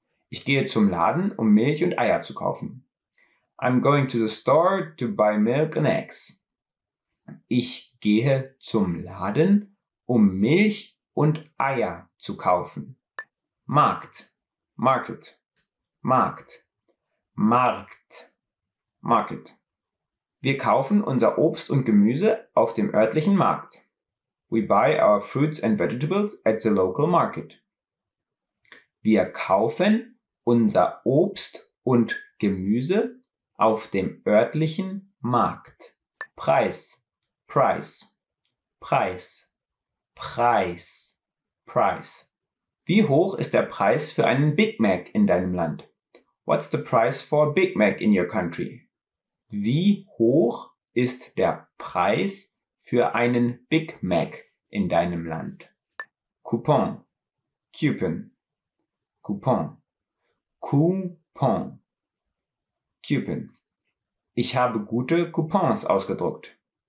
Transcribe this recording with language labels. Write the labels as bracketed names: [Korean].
[German] Ich gehe zum Laden, um Milch und Eier zu kaufen. [English] I'm going to the store to buy milk and eggs. [German] Ich gehe zum Laden, um Milch und Eier zu kaufen. Markt. Market. Markt. Markt. Market. Wir kaufen unser Obst und Gemüse auf dem örtlichen Markt. [English] We buy our fruits and vegetables at the local market. [German] Wir kaufen unser Obst und Gemüse auf dem örtlichen Markt. Preis. Price. Preis. Preis. Preis. Wie hoch ist der Preis für einen Big Mac in deinem Land? [English] What's the price for a Big Mac in your country? [German] Wie hoch ist der Preis für einen Big Mac in deinem Land? Coupon. Coupon. Coupon. Coupon. Coupon. Ich habe gute Coupons ausgedruckt.